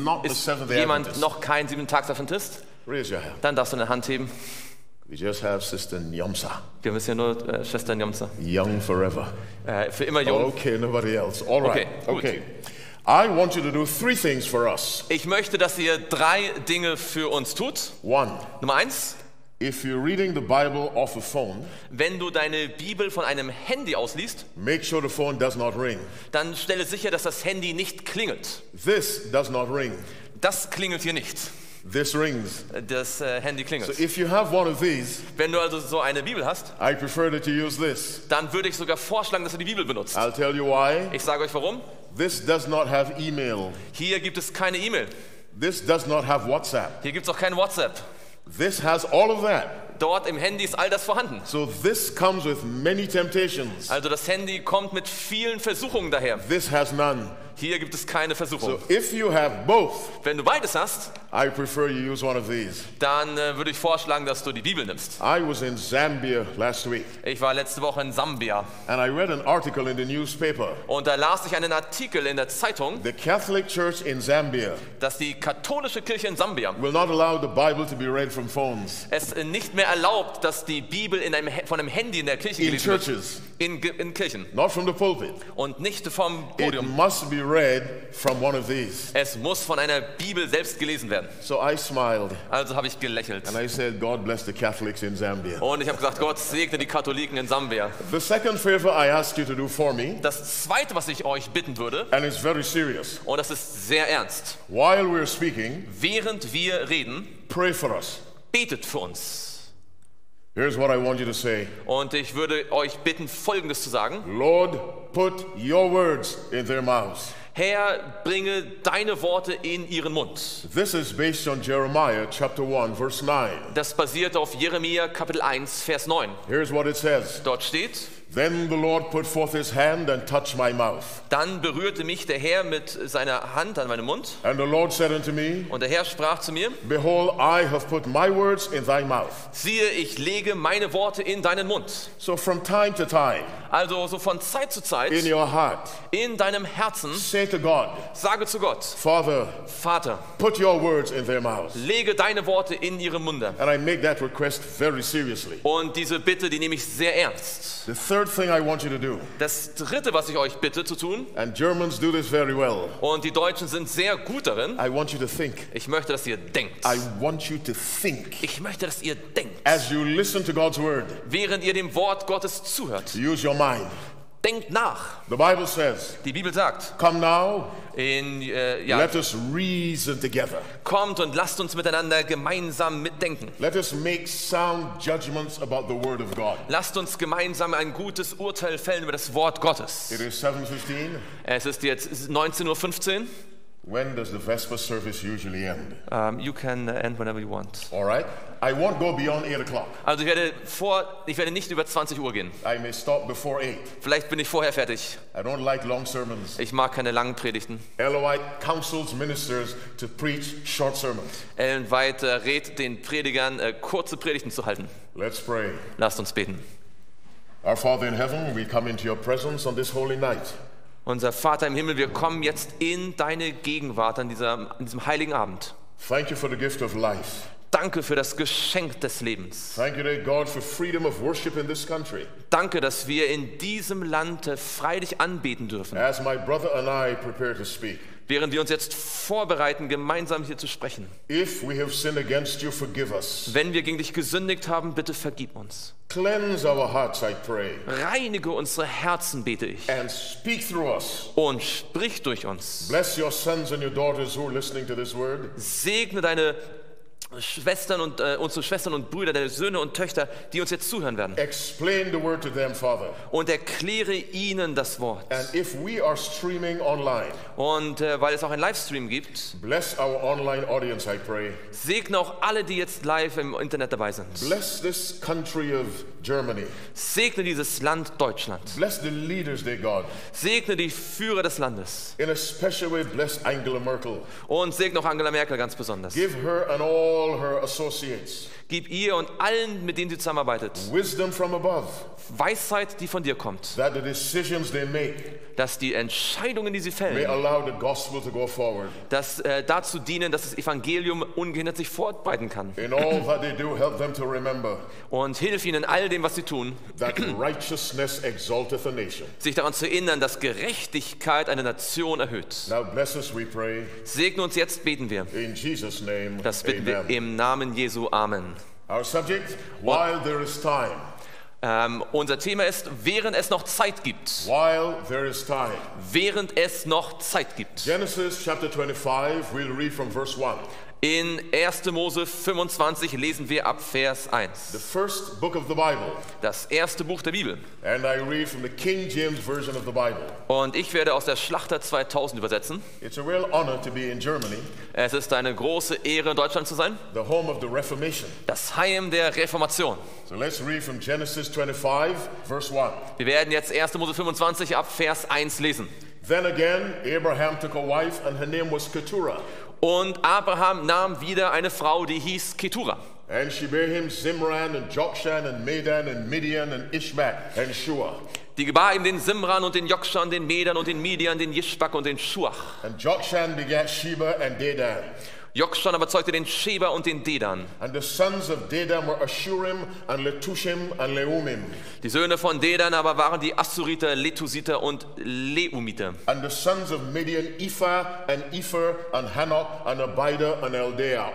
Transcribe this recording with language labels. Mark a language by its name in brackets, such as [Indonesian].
[English] not the Seventh-day Adventist. [German] Jemand noch kein Siebenten-Tags-Adventist? [English] Raise your hand. [German] Dann darfst du eine Hand heben. [English] We just have Sister Njomsa. [German] Wir müssen ja nur Schwester Njomsa. [English] Young forever. [German] Für immer jung. [English] Okay, nobody else. All right. Okay. Okay. I want you to do three things for us. [German] Ich möchte, dass ihr drei Dinge für uns tut. [English] One. [German] Nummer eins. [English] If you're reading the Bible off a phone, [German] wenn du deine Bibel von einem Handy ausliest, [English] make sure the phone does not ring. [German] Dann stelle sicher, dass das Handy nicht klingelt. [English] This does not ring. [German] Das klingelt hier nicht. [English] This rings. [German] Das Handy klingelt. [English] So if you have one of these, [German] wenn du also so eine Bibel hast, [English] I prefer that you use this. [German] Dann würde ich sogar vorschlagen, dass du die Bibel benutzt. [English] I'll tell you why. [German] Ich sage euch warum. [English] This does not have email. [German] Hier gibt es keine E-Mail. [English] This does not have WhatsApp. [German] Hier gibt es auch kein WhatsApp. [English] This has all of that. [German] Dort im Handy ist all das vorhanden. [English] So this comes with many temptations. [German] Also das Handy kommt mit vielen Versuchungen daher. [English] This has none. [German] Hier gibt es keine Versuchung. [English] So if you have both, [German] wenn du beides hast, [English] I prefer you use one of these. [German] Dann würde ich vorschlagen, dass du die Bibel nimmst. [English] I was in Zambia last week. [German] Ich war letzte Woche in Sambia. [English] And I read an article in the newspaper. [German] Und da las ich einen Artikel in der Zeitung. [English] The Catholic Church in Zambia. [German] Dass die katholische Kirche in Sambia [English] will not allow the Bible to be read from phones. [German] Es nicht mehr erlaubt, dass die Bibel in einem, von einem Handy in der Kirche gelesen wird. In Kirchen. [English] Not from the pulpit. [German] Und nicht vom Podium. [English] It must be read from one of these. [German] Es muss von einer Bibel selbst gelesen werden. [English] So I smiled. [German] Also habe ich gelächelt. [English] And I said, God bless the Catholics in Zambia. [German] Und ich habe gesagt, Gott segne die Katholiken in Sambia. [English] The second favor I asked you to do for me. [German] Das zweite, was ich euch bitten würde. [English] And it's very serious. [German] Und das ist sehr ernst. [English] While we're speaking. [German] Während wir reden. [English] Pray for us. [German] Betet für uns. [English] Here's what I want you to say. [German] Und ich würde euch bitten, Folgendes zu sagen. [English] Lord, put your words in their mouths. [German] Herr, bringe deine Worte in ihren Mund. [English] This is based on Jeremiah chapter 1 verse 9. [German] Das basiert auf Jeremia Kapitel 1 Vers 9. [English] Here's what it says. [German] Dort steht: [English] Then the Lord put forth his hand and touched my mouth. [German] Dann berührte mich der Herr mit seiner Hand an meinem Mund. [English] And the Lord said unto me. [German] Und der Herr sprach zu mir. [English] Behold, I have put my words in thy mouth. [German] Siehe, ich lege meine Worte in deinen Mund. [English] So from time to time. [German] Also so von Zeit zu Zeit. [English] In your heart. [German] In deinem Herzen. [English] Say to God. [German] Sage zu Gott. [English] Father. [German] Vater. [English] Put your words in their mouth. [German] Lege deine Worte in ihre Munde. [English] And I make that request very seriously. [German] Und diese Bitte, die nehme ich sehr ernst. [English] Thing I want you to do. [German] Das dritte, was ich euch bitte zu tun. [English] And Germans do this very well. [German] Und die Deutschen sind sehr gut darin. [English] I want you to think. [German] Ich möchte, dass ihr denkt. [English] I want you to think. [German] Ich möchte, dass ihr denkt. [English] As you listen to God's word. [German] Während ihr dem Wort Gottes zuhört. [English] Use your mind. [German] Denkt nach. [English] The Bible says. [German] Die Bibel sagt. [English] Come now. [German] In [English] let us reason together. [German] Kommt und lasst uns miteinander gemeinsam mitdenken. [English] Let us make sound judgments about the word of God. [German] Lasst uns gemeinsam ein gutes Urteil fällen über das Wort Gottes. [English] It is 7:15. [German] Es ist jetzt 19:15. [English] When does the Vesper service usually end? You can end whenever you want. All right. I won't go beyond 8 o'clock. [German] Also ich werde nicht über 20 Uhr gehen. [English] I may stop before 8. [German] Vielleicht bin ich vorher fertig. [English] I don't like long sermons. [German] Ich mag keine langen Predigten. [English] Ellen White counsels ministers to preach short sermons. [German] Ellen White rät den Predigern, kurze Predigten zu halten. [English] Let's pray. [German] Lasst uns beten. [English] Our Father in heaven, we come into your presence on this holy night. [German] Unser Vater im Himmel, wir kommen jetzt in deine Gegenwart an diesem heiligen Abend. [English] Thank you for the gift of life. [German] Danke für das Geschenk des Lebens. [English] Thank you, God, for freedom of worship in this country. [German] Danke, dass wir in diesem Land freilich anbeten dürfen. [English] As my brother and I prepare to speak. [German] Während wir uns jetzt vorbereiten, gemeinsam hier zu sprechen. [English] If we have sinned against you, forgive us. [German] Wenn wir gegen dich gesündigt haben, bitte vergib uns. [English] Cleanse our hearts, I pray. [German] Reinige unsere Herzen, bete ich. [English] And speak through us. [German] Und sprich durch uns. [English] Bless your sons and your daughters who are listening to this word. [German] Segne deine Schwestern und unsere Schwestern und Brüder, deine Söhne und Töchter, die uns jetzt zuhören werden. [English] Explain the word to them, Father. [German] Und erkläre ihnen das Wort. [English] And if we are streaming online, [German] und weil es auch einen Livestream gibt, [English] bless our online audience, I pray. [German] Segne auch alle, die jetzt live im Internet dabei sind. [English] Bless this country of Germany. [German] Segne dieses Land Deutschland. [English] Bless the leaders, dear God. [German] Segne die Führer des Landes. [English] In a special way, bless Angela Merkel. [German] Und segne auch Angela Merkel ganz besonders. [English] Give her an all. All her associates. [German] Gib ihr und allen, mit denen sie zusammenarbeitet, [English] wisdom from above. [German] Weisheit, die von dir kommt, [English] that the decisions they make, [German] dass die Entscheidungen, die sie fällen, [English] may allow the gospel to go forward. [German] Dass dazu dienen, dass das Evangelium ungehindert sich fortbreiten kann. [English] In all that they do, help them to remember, [German] und hilf ihnen in all dem, was sie tun, [English] that righteousness exalteth a nation. [German] Sich daran zu erinnern, dass Gerechtigkeit eine Nation erhöht. [English] Now bless us, we pray. [German] Segne uns jetzt, beten wir. [English] In Jesus name, [German] das bitten [English] amen. [German] Wir im Namen Jesu. Amen. [English] Our subject, while there is time. [German] Unser Thema ist, während es noch Zeit gibt. [English] While there is time. [German] Während es noch Zeit gibt. [English] Genesis chapter 25, we'll read from verse 1. [German] In 1. Mose 25 lesen wir ab Vers 1. [English] The first book of the Bible. [German] Das erste Buch der Bibel. [English] And I read from the King James version of the Bible. [German] Und ich werde aus der Schlachter 2000 übersetzen. [English] It's a real honor to be in Germany. [German] Es ist eine große Ehre, in Deutschland zu sein. [English] The home of the Reformation. [German] Das Heim der Reformation. [English] So let's read from Genesis 25, verse 1. [German] Wir werden jetzt 1. Mose 25 ab Vers 1 lesen. [English] Then again, Abraham took a wife, and her name was Keturah. [German] Und Abraham nahm wieder eine Frau, die hieß Keturah. [English] And she bare him Zimran and Jokshan and Medan and Midian and Ishbak and Shuah. [German] Die gebar ihm den Zimran und den Jokshan, den Medan und den Midian, den Ishbak und den Shuah. [English] And Jokshan begat Sheba and Dedan. [German] Jokshan aber zeugte den Sheba und den Dedan. [English] And the sons of Dedan were Ashurim and Letushim and Leumim. [German] Die Söhne von Dedan aber waren die Assuriter, Letusiter und Leumiter. [English] And the sons of Midian, Ephah and Epher and Hanok and Abida and Eldea.